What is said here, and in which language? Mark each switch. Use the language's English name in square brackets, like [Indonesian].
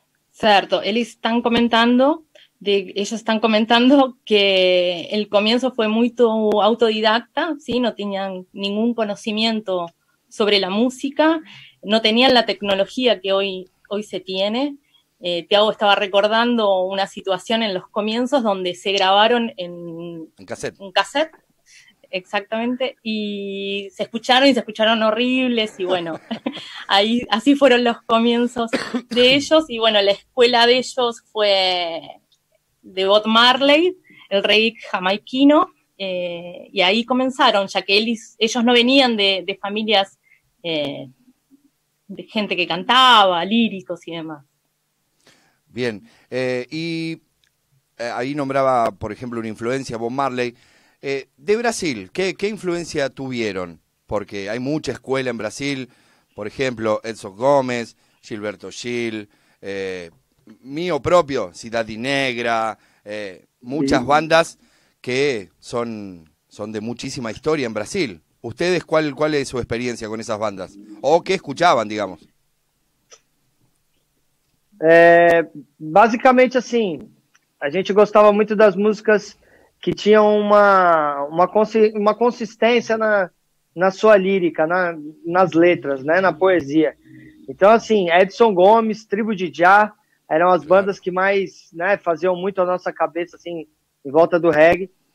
[Portuguese] Certo, eles estão comentando, que o começo foi muito autodidacta, ¿sí? Não tinham nenhum conhecimento sobre a música, não tinham a tecnologia que hoje se tem. [Spanish] Tiago estaba recordando una situación en los comienzos donde se grabaron en cassette, exactamente, y se escucharon horribles, y bueno, ahí, así fueron los comienzos de ellos, y bueno, la escuela de ellos fue de Bob Marley, el reggae jamaiquino, y ahí comenzaron, ya que ellos no venían de familias de gente que cantaba, líricos y demás. Bien, y ahí nombraba, por ejemplo, una influencia, Bob Marley. De Brasil, ¿qué influencia tuvieron? Porque hay mucha escuela en Brasil, por ejemplo, Edson Gómez, Gilberto Gil, mío propio, Cidade Negra, muchas sí. Bandas que son de muchísima historia en Brasil. ¿Ustedes cuál es su experiencia con esas bandas? ¿O qué escuchaban, digamos? [Portuguese] É, basicamente assim, a gente gostava muito das músicas que tinham uma consistência na sua lírica, nas letras, né, na poesia. Então assim, Edson Gomes, Tribo de Já, eram as bandas que mais, né, faziam muito a nossa cabeça assim, em volta do reggae.